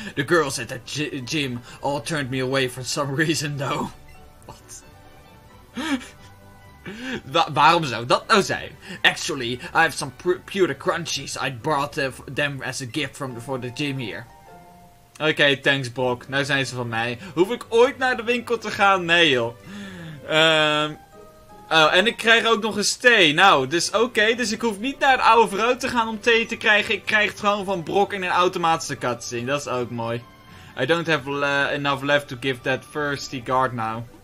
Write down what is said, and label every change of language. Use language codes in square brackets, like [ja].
[en] The girls at that gym all turned me away for some reason though. What? [nl] Waarom zou dat nou zijn? [en] Actually, I have some pewter crunchies. I brought them as a gift for the gym here. Okay, thanks Brock. [nl] Nou zijn ze van mij. Hoef ik ooit naar de winkel te gaan? Nee joh. En ik krijg ook nog eens thee. Nou, dus okay. Dus ik hoef niet naar de oude vrouw te gaan om thee te krijgen. Ik krijg het gewoon van Brock in een automatische cutscene. Dat is ook mooi. [en] I don't have enough left to give that thirsty guard now.